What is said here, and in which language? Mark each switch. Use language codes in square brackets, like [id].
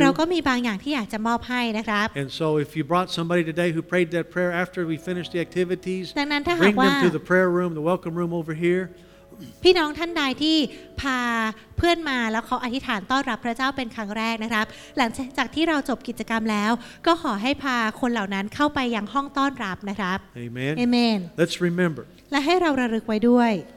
[th] เราก็มีบางอย่างที่อยากจะมอบให้นะครับ [en] And so if you brought somebody today who prayed that prayer after we finished the activities, [th] ดังนั้นถ้าห [en] ากว่า bring them to the prayer room, the welcome room over here. [th] พี่น้องท่านใดที่พาเพื่อนมาแล้วเขาอธิษฐานต้อนรับพระเจ้าเป็นครั้งแรกนะครับหลังจากที่เราจบกิจกรรมแล้วก็ขอให้พาคนเหล่านั้นเข้าไปยังห้องต้อนรับนะครับ [en] Amen. Amen. Let's remember. [th] และให้เราระลึกไว้ด้วย